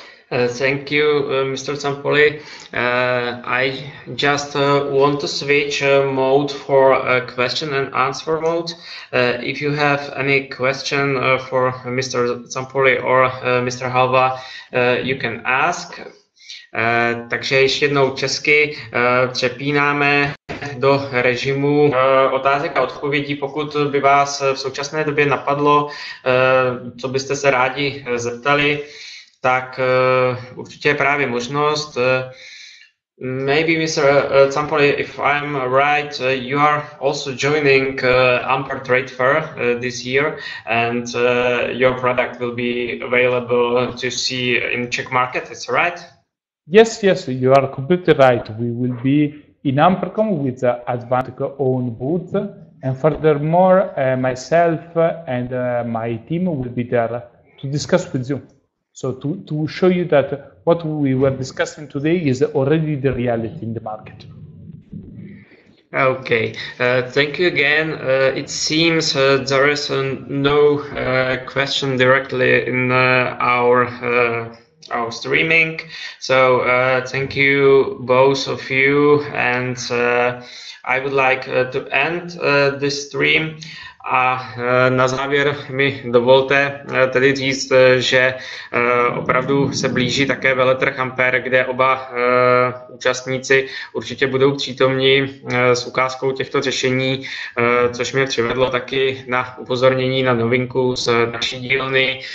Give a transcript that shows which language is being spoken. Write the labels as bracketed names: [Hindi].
[English] Thank you, Mr. Zampoli. I just want to switch mode for question and answer mode. If you have any question for Mr. Zampoli or Mr. Halva, you can ask. [Czech] Takže ještě jednou česky přepínáme do režimu otázek a odpovědí, pokud by vás v současné době napadlo, co byste se rádi zeptali. Tak určitě je právě možnost. [English] Maybe Mr. Zampoli, if I'm right, you are also joining Amper Trade Fair this year, and your product will be available to see in Czech market, is that right? Yes, yes, you are completely right. We will be in Ampercom with the Advantech own booth, and furthermore, myself and my team will be there to discuss with you. So to show you that what we were discussing today is already the reality in the market. Okay, thank you again. It seems there is no question directly in our streaming. So thank you both of you. And I would like to end this stream. [Czech] A na závěr mi dovolte tedy říct, že opravdu se blíží také veletrh Ampere, kde oba účastníci určitě budou přítomni s ukázkou těchto řešení, což mě přivedlo taky na upozornění na novinku z naší dílny.